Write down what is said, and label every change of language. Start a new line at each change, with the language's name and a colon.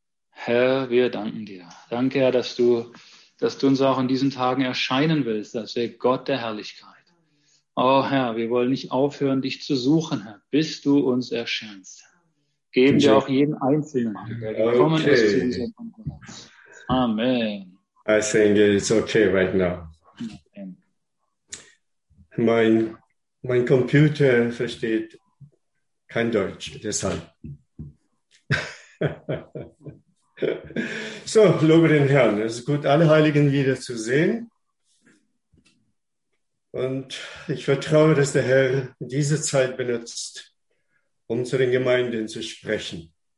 German: Herr, wir danken dir. Danke, Herr, dass du uns auch in diesen Tagen erscheinen willst, dass wir Gott der Herrlichkeit. Oh Herr, wir wollen nicht aufhören, dich zu suchen, Herr, bis du uns erscheinst. Geben wir auch jeden Einzelnen an, der gekommen ist zu
English: Okay.
German: unserem Konkurrenz. Amen.
English: I think it's okay right now.
German: Amen. Mein Computer versteht kein Deutsch, deshalb. So, lobe den Herrn. Es ist gut, alle Heiligen wiederzusehen. Und ich vertraue, dass der Herr diese Zeit benutzt, um zu den Gemeinden zu sprechen.